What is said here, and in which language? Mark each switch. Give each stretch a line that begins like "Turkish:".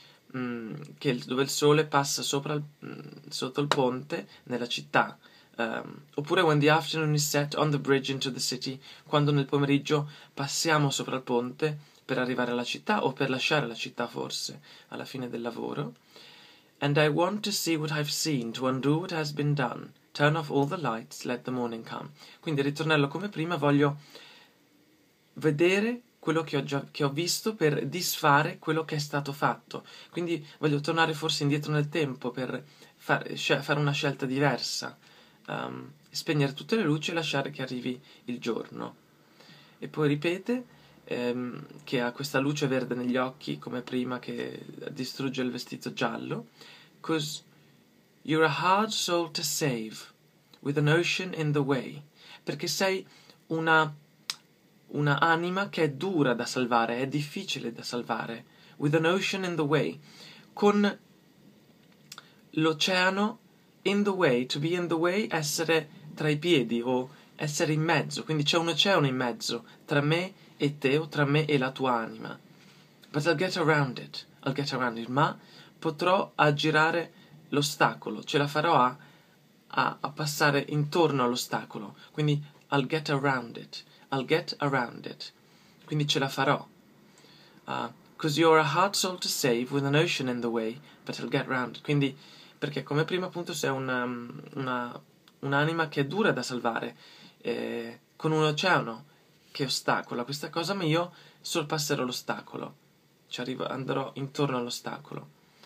Italian: Dove il sole passa sotto il ponte nella città, oppure
English: when the afternoon is set on the bridge into the city,
Italian: quando nel pomeriggio passiamo sopra il ponte per arrivare alla città o per lasciare la città forse alla fine del lavoro.
English: And I want to see what I've seen, to undo what has been done. Turn off all the lights, let the morning come.
Italian: Quindi il ritornello come prima, voglio vedere quello che ho visto per disfare quello che è stato fatto. Quindi voglio tornare forse indietro nel tempo per fare una scelta diversa. Spegnere tutte le luci e lasciare che arrivi il giorno. E poi ripete che ha questa luce verde negli occhi, come prima, che distrugge il vestito giallo.
English: 'Cause you're a hard soul to save, with an ocean in the way.
Italian: Perché sei una anima che è dura da salvare, è difficile da salvare.
English: With an ocean in the way.
Italian: Con l'oceano
English: in the way, to be in the way,
Italian: essere tra i piedi o essere in mezzo. Quindi c'è un oceano in mezzo tra me e te o tra me e la tua anima.
English: But I'll get around it.
Italian: Ma potrò aggirare l'ostacolo, ce la farò a passare intorno all'ostacolo. Quindi
English: I'll get around it.
Italian: Quindi ce la farò.
English: 'Cause you're a hard soul to save with an ocean in the way, but I'll get around it.
Italian: Quindi, perché come prima appunto sei un'anima che è dura da salvare, con un oceano che ostacola questa cosa, ma io sorpasserò l'ostacolo, ci arrivo, andrò intorno all'ostacolo.